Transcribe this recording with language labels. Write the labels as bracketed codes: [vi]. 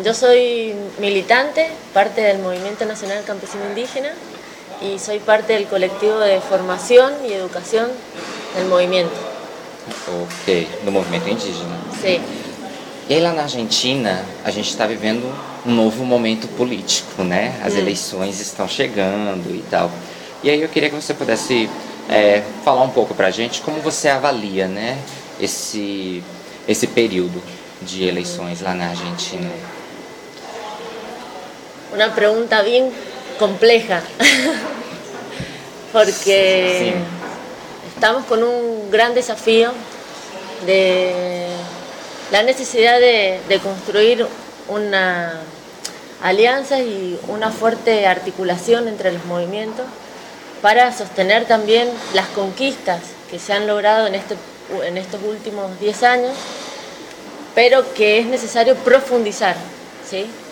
[es] Yo soy militante, parte del Movimiento Nacional Campesino Indígena y soy parte del colectivo de formación y educación del movimiento. [pt] Ok, do movimento indígena. [es] Sí. [pt] E aí lá na Argentina, a gente está vivendo um novo momento político, né? As eleições estão chegando e tal. E aí eu queria que você pudesse falar um pouco pra gente como você avalia, né, esse período de eleições lá na Argentina. [es] Una pregunta bien compleja, porque estamos con un gran desafío de la necesidad de construir una alianza y una fuerte articulación entre los movimientos para sostener también las conquistas que se han logrado en estos últimos 10 años, pero que es necesario profundizar, ¿sí?